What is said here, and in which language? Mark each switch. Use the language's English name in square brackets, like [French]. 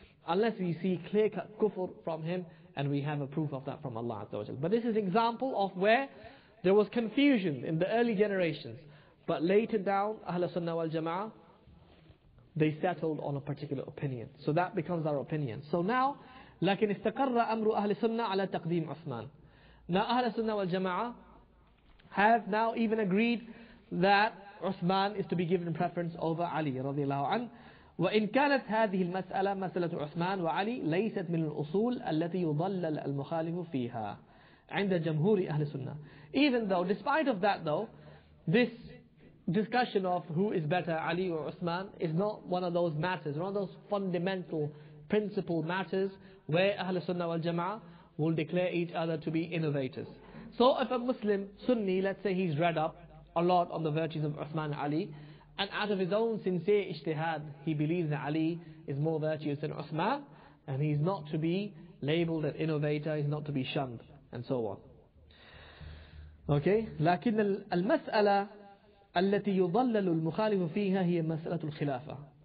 [English] Unless we see clear-cut kufr from him, and we have a proof of that from Allah Azza wa Jalla. But this is an example of where there was confusion in the early generations. But later down, Ahl Sunnah wal Jama'ah, they settled on a particular opinion. So that becomes our opinion. So now, [Arabic] لكن استقر أمر أهل السنة على تقديم عثمان. [English] Now Ahl Sunnah wal Jama'ah have now even agreed that Uthman is to be given preference over Ali [Arabic] رضي الله عنه. وإن كانت هذه المسألة مسألة عثمان وعلي ليست من الأصول التي يضلل المخالف فيها عند جمهور أهل السنة. [English] Even though, despite of that though, this discussion of who is better, Ali or Uthman, is not one of those matters, one of those fundamental principle matters where Ahl Sunnah wal Jama'ah will declare each other to be innovators. So if a Muslim Sunni, let's say he's read up a lot on the virtues of Uthman and Ali, and out of his own sincere ijtihad, he believes that Ali is more virtuous than Uthman, and he's not to be labeled an innovator, he's not to be shunned, and so on. Okay? [Arabic] لكن المسألة التي يضلل المخالف فيها هي مسألة الخلافة.